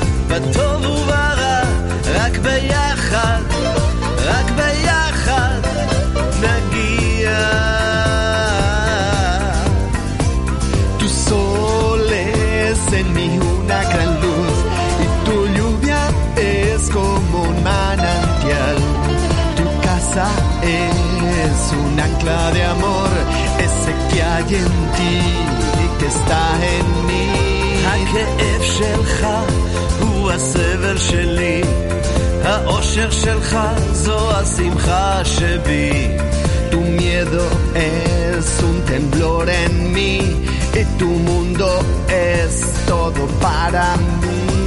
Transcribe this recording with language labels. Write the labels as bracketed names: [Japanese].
[Hebrew] בטוב וברע, רק ביחד, רק ביחד נגיע. [Spanish] Tu sol es en mí una gran luz y tu lluvia es como un manantial. Tu casa es un ancla de amor, ese que hay en ti y que está en mí. [Hebrew] הכאב שלך הוא הסבל שלי, האושר שלך זו השמחה שבי. [Spanish] Tu miedo es un temblor en mí y tu mundo es todo para mí.